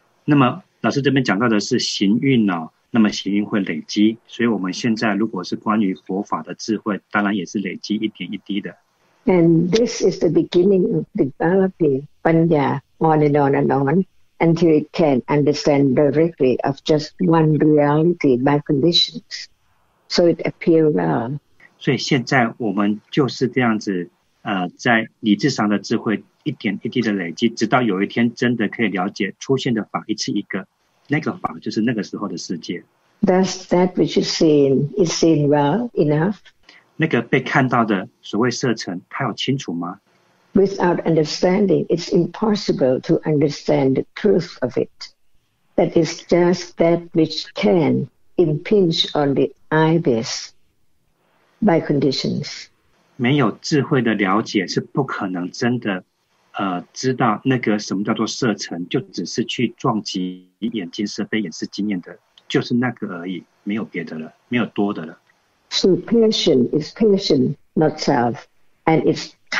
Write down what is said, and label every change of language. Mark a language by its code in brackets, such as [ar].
[zh] 那么老师这边讲到的是行运哦，那么行运会累积，所以我们现在如果是关于佛法的智慧，当然也是累积一点一滴的。 [en] And this is the beginning of developing Panya on and on and on. Until it can understand directly of just one reality by conditions, so it appears well. [zh] 所以现在我们就是这样子，在理智上的智慧一点一滴的累积，直到有一天真的可以了解出现的法一次一个，那个法就是那个时候的世界。 [en] Does that which is seen is seen well enough? [zh] 那个被看到的所谓色尘，它有清楚吗？ [en] Without understanding, it's impossible to understand the truth of it. That is just that which can impinge on the eyes by conditions. [zh] 没有智慧的了解是不可能真的，知道那个什么叫做色尘，就只是去撞击眼睛色非掩饰经验的，就是那个而已，没有别的了，没有多的了。 [en] So passion is passion, not self, and it's.